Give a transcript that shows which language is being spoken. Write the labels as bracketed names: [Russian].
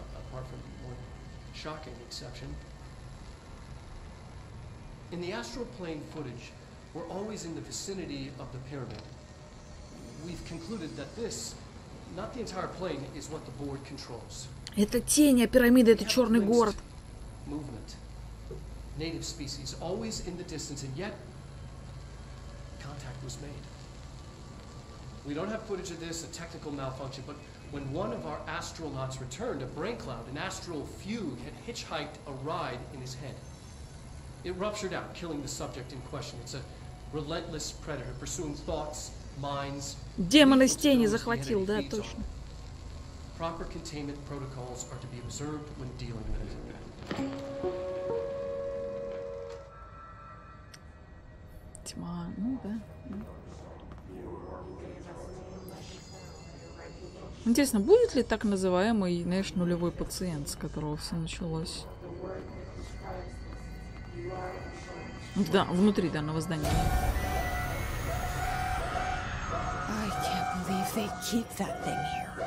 [English] Apart from one shocking exception. In the astral plane footage, we're always in the vicinity of the pyramid. We've concluded that this, not the entire plane, is what the board controls. [Russian] Это тень, а пирамида — это черный город. [English] Movement. Native species always in the distance, and yet contact was made. We don't have footage of this, a technical malfunction, but when one of our astronauts returned, a brain cloud, an astral fugue, had hitchhiked a ride in his head. It ruptured out, killing the subject in question. It's a relentless predator, pursuing thoughts, minds... [Russian] Демон из тени захватил, да, точно. [English] Proper containment protocols are to be observed when dealing with it. [Russian] Тьма, ну да. Интересно, будет ли так называемый, знаешь, нулевой пациент, с которого все началось? Да, внутри данного здания. [English] I can't believe they keep that thing here.